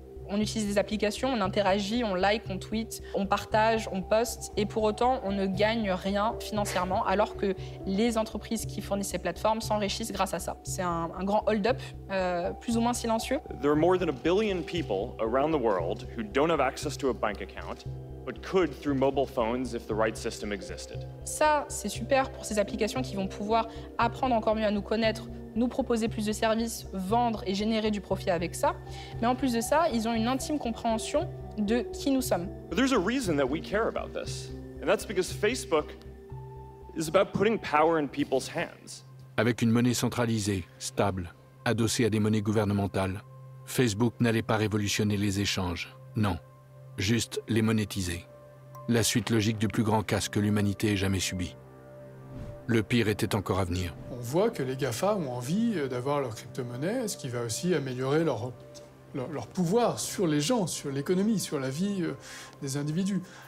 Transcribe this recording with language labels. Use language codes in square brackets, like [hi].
[fr] On utilise des applications, on interagit, on like, on tweet, on partage, on poste, et pour autant, on ne gagne rien financièrement, alors que les entreprises qui fournissent ces plateformes s'enrichissent grâce à ça. C'est un grand hold-up, plus ou moins silencieux. [en] There are more than a billion people around the world who don't have access to a bank account, but could through mobile phones if the right system existed. [fr] Ça, c'est super pour ces applications qui vont pouvoir apprendre encore mieux à nous connaître, nous proposer plus de services, vendre et générer du profit avec ça. Mais en plus de ça, ils ont une intime compréhension de qui nous sommes. [en] But there's a reason that we care about this. And that's because Facebook is about putting power in people's hands. [fr] Avec une monnaie centralisée, stable, adossée à des monnaies gouvernementales, Facebook n'allait pas révolutionner les échanges. Non. Juste les monétiser. La suite logique du plus grand casse que l'humanité ait jamais subi. Le pire était encore à venir. On voit que les GAFA ont envie d'avoir leur crypto-monnaie, ce qui va aussi améliorer leur pouvoir sur les gens, sur l'économie, sur la vie des individus.